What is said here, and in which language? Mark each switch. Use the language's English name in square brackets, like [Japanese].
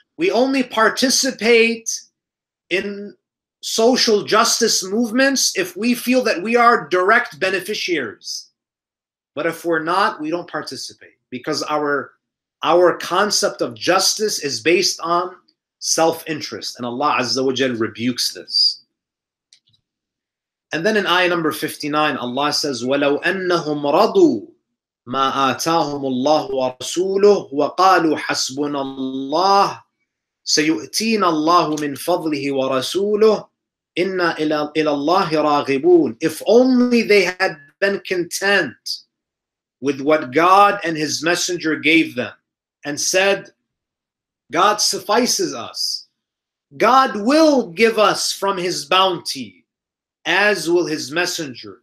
[English] We only participate in social justice movements if we feel that we are direct beneficiaries. But if we're not, we don't participate, because our concept of justice is based on self-interest. And Allah Azza wa Jal rebukes this. And then in ayah number 59, Allah says, [Arabic] وَلَوْ أَنَّهُمْ رَضُوا مَا آتَاهُمُ اللَّهُ وَرَسُولُهُ وَقَالُوا حَسْبُنَا اللَّهُ سَيُؤْتِينَ اللَّهُ مِنْ فَضْلِهِ وَرَسُولُهُ إِنَّا إِلَى اللَّهِ رَاغِبُونَ. [English] If only they had been content with what God and His Messenger gave them and said, God suffices us, God will give us from His bounty, as will His Messenger.